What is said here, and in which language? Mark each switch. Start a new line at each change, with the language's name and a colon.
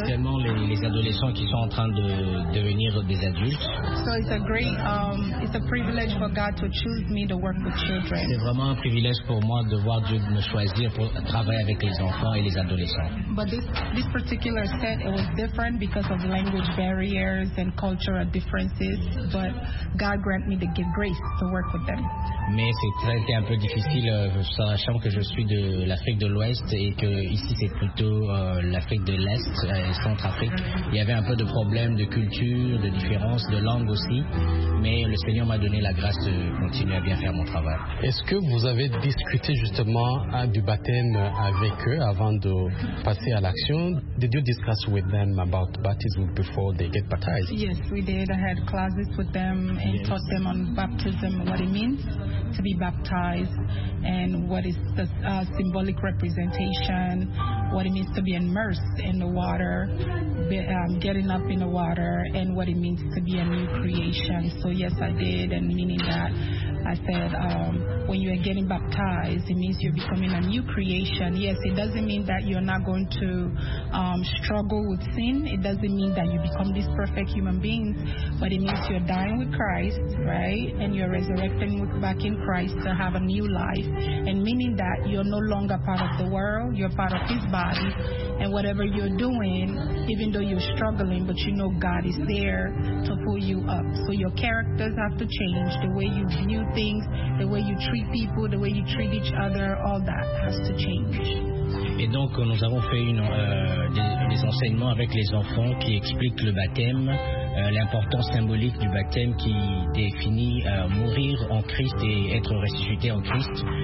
French: Spécialement les adolescents qui sont en train de devenir des adultes.
English: So it's a great, it's a privilege for God to choose me to work with children.
French: C'est vraiment un privilège pour moi de voir Dieu de me choisir pour travailler avec les enfants et les adolescents.
English: But this particular set, it was different because of language barriers and cultural differences, but God grant me the grace to work with them.
French: Mais c'était un peu difficile, sachant que je suis de l'Afrique de l'Ouest et que ici c'est plutôt l'Afrique de l'Est, Centrafrique. Il y avait un peu de problèmes de culture, de différence, de langue aussi, mais le Seigneur m'a donné la grâce de continuer à bien faire mon travail. Est-ce que vous avez discuté justement du baptême avec eux avant de passer à l'action?
English: Did you discuss with them about baptism before they get baptized? Yes, we did. I had classes with them and yes, taught them on baptism, what it means to be baptized, and what is the symbolic representation, what it means to be immersed in the water, getting up in the water, and what it means to be a new creation. So yes, I did, and meaning that I said, when you are getting baptized, it means you're becoming a new creation. Yes, it doesn't mean that you're not going to struggle with sin. It doesn't mean that you become this perfect human being, but it means you're dying with Christ, right? And you're resurrecting back in Christ to have a new life. And meaning that you're no longer part of the world, you're part of His body. And whatever you're doing, even though you're struggling, but you know God is there to pull you up. So your characters have to change, the way you view things, the way you treat people, the way you treat each other, all that has to change.
French: Et donc, nous avons fait des enseignements avec les enfants qui expliquent le baptême, l'importance symbolique du baptême qui définit mourir en Christ et être ressuscité en Christ.